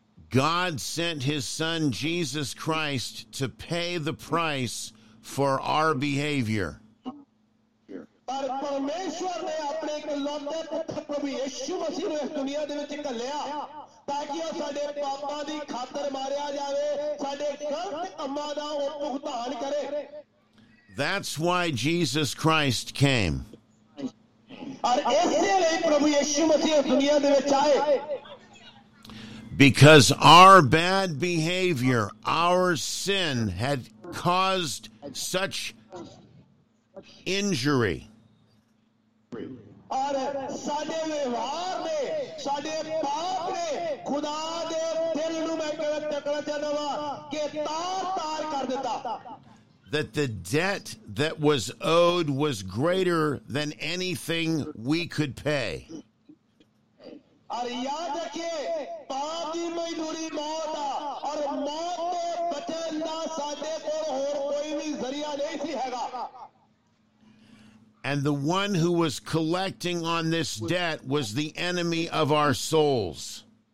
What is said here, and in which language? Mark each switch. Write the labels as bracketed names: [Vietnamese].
[English] God sent his son Jesus Christ to pay the price for our behaviour [Punjabi] ਪਰ ਪਰਮੇਸ਼ਵਰ ਨੇ ਆਪਣੇ ਇਕਲੌਤੇ ਪੁੱਤਰ ਪ੍ਰਭੂ ਯਿਸੂ ਮਸੀਹ ਨੂੰ ਇਸ ਦੁਨੀਆਂ ਦੇ ਵਿੱਚ ਘੱਲਿਆ ਤਾਂ ਕਿ ਉਹ ਸਾਡੇ ਪਾਪਾਂ ਦੀ ਖਾਤਰ ਮਾਰਿਆ ਜਾਵੇ ਸਾਡੇ ਗਲਤ ਕੰਮਾਂ ਦਾ ਉਹ ਭੁਗਤਾਨ ਕਰੇ [English] That's why Jesus Christ came. [Punjabi] ਔਰ ਇਸੇ ਲਈ ਪ੍ਰਭੂ ਯਿਸੂ ਮਸੀਹ ਇਸ ਦੁਨੀਆਂ ਦੇ ਵਿੱਚ ਆਏ [English] Because our bad behavior, our sin had caused such injury. [Punjabi] ਔਰ ਸਾਡੇ ਵਿਵਹਾਰ ਨੇ ਸਾਡੇ ਪਾਪ ਨੇ ਖੁਦਾ ਦੇ ਦਿਲ ਨੂੰ ਮੈਂ ਕਿਵੇਂ ਟਕਣਾ ਚਾਹੁੰਦਾ ਵਾ ਕਿ ਤਾਰ ਤਾਰ ਕਰ ਦਿੱਤਾ [English] that the debt that was owed was greater than anything we could pay [Punjabi] ਔਰ ਯਾਦ ਰੱਖੇ ਪਾਪ ਦੀ ਮਜ਼ਦੂਰੀ ਮੌਤ ਆ ਔਰ ਮੌਤ ਤੋਂ ਬਚਣ ਦਾ ਸਾਡੇ ਕੋਲ ਹੋਰ ਕੋਈ ਵੀ ਜ਼ਰੀਆ ਨਹੀਂ ਸੀ ਹੈਗਾ [English] And the one who was collecting on this debt was the enemy of our souls.